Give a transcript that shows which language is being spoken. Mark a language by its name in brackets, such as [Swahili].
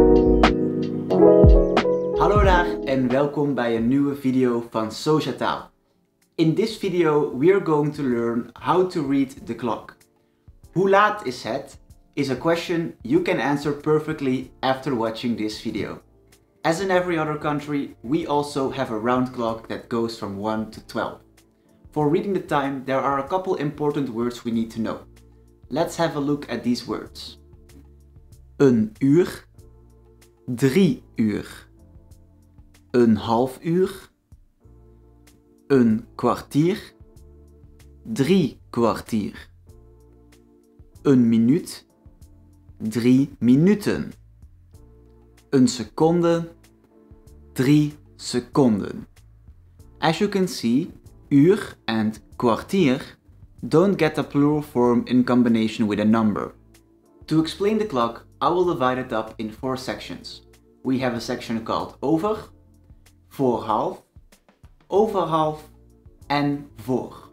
[Dutch] Hallo daar en welkom bij een nieuwe video van SociaTaal. [English] In this video we are going to learn how to read the clock. [Dutch] Hoe laat is het? [English] Is a question you can answer perfectly after watching this video. As in every other country, we also have a round clock that goes from 1 to 12. For reading the time, there are a couple important words we need to know. Let's have a look at these words. [Dutch] Een uur, 3 uur, een half uur, een kwartier, 3 kwartier, een minuut, 3 minuten, een seconde, 3 seconden. [English] As you can see, uur and kwartier don't get a plural form in combination with a number. To explain the clock, I will divide it up in 4 sections. We have a section called over, voor half, over half, and voor.